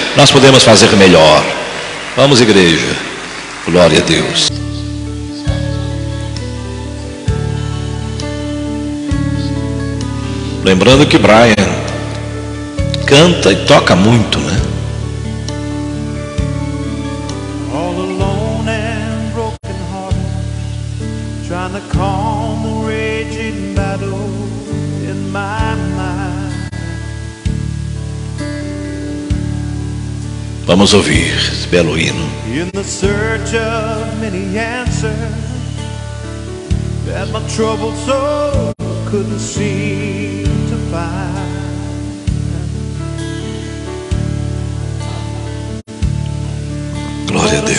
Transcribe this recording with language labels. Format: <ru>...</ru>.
<pt>Nós podemos fazer melhor. Vamos, igreja. Glória a Deus. Lembrando que Brian canta e toca muito, né?</pt> <en>All alone and broken hearted, trying to calm the raging battle in my mind.</en> <pt>Vamos ouvir esse belo hino.</pt> <en>In the search of many answers that my troubled soul couldn't seem to find.</en> <pt>Glória a Deus.</pt>